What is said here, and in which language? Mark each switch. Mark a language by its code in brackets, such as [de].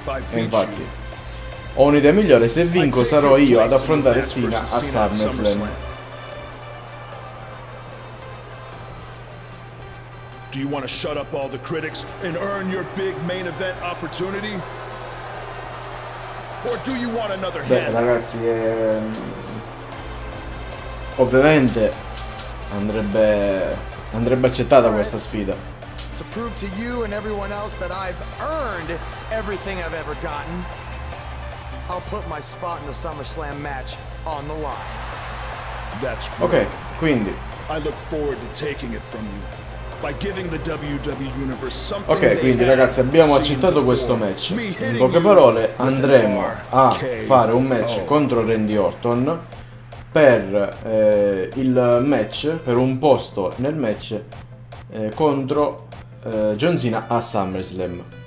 [it] E infatti. Ho un'idea migliore, se vinco sarò io ad affrontare Cena a SummerSlam. [en] Do you want to shut up all the critics and earn your big main event opportunity? Or do you want another head? [it] Beh, ragazzi, ovviamente andrebbe accettata questa sfida. [en] To prove to you and everyone else that I've earned everything I've ever gotten. I'll put my spot in the SummerSlam match on the line. That's great. [it] Okay, quindi [en] I look forward to taking it from you by giving the WWE Universe something. [it] Okay, quindi ragazzi, abbiamo accettato questo match. In poche parole, andremo a fare un match contro Randy Orton per il match, per un posto nel match contro John Cena a SummerSlam.